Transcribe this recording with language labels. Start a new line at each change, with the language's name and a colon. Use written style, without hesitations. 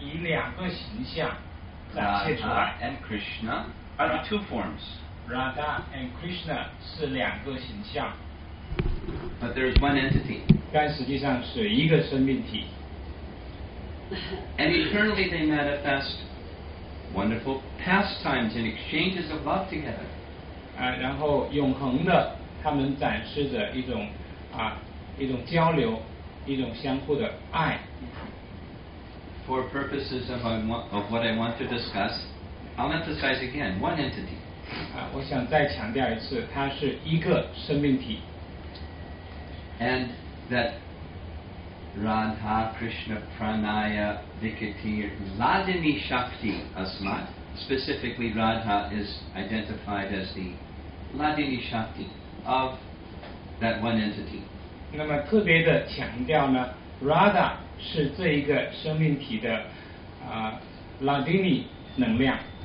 Chinese: 就是有一个生物，一个生命，永恒的以两个形象展现出来。
English: Radha and Krishna are the two forms.
Chinese: Radha and Krishna 是两个形象,
English: but there is one entity.
Chinese: 但实际上是一个生命体.
English: And eternally they manifest wonderful pastimes and exchanges of love together.
Chinese: 然后永恒的他们展示着一种交流，一种相互的爱.
English: For purposes of what I want to discuss, I'll emphasize again, one entity.
Chinese: 我想再强调一次，它是一个生命体。
English: And that
Sanskrit: Radha Krishna Pranaya Vikatir Ladini Shakti Asmat.
English: Specifically, Radha is identified as the Ladini Shakti of that one entity.
Chinese: 那么特别的强调呢， Radha 是这一个生命体的Ladini 能量。